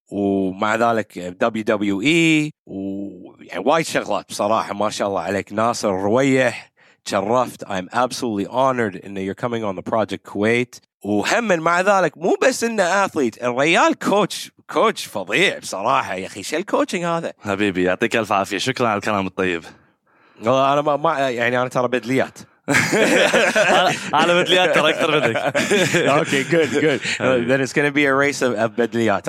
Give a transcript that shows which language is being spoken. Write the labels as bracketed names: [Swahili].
[Arabic] ومع ذلك WWE ويعني وايد شغلات بصراحة ما شاء الله عليك. ناصر الرويح, تشرفت. [English] I'm absolutely honored in that you're coming on the Project Kuwait. [Arabic] وهمن مع ذلك مو بس إنه أثليت, الريال كوتش فظيع بصراحة يا أخي. شل كوتشينج هذا حبيبي, يعطيك ألف عافية, شكرا على الكلام الطيب. والله انا ما يعني انا ترى بدليات انا بدليات ترى اكثر منك. [English] Okay good then it's going to be a race of بدليات.